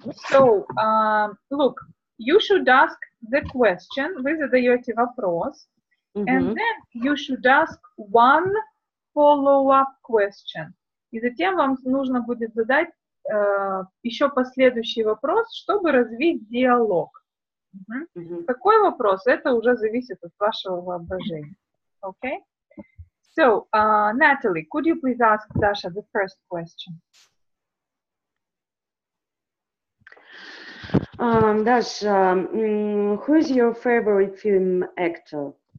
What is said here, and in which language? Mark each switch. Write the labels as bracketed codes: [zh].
[en] So, look, you should ask the question, [ru] вы задаете вопрос, [en] and then you should ask one follow-up question. [ru] И затем вам нужно будет задать еще последующий вопрос, чтобы развить диалог. Какой вопрос? Это уже зависит от вашего воображения. [en] Okay? So, Natalie, could you please ask Dasha the first question? Dash, who is your favorite film actor?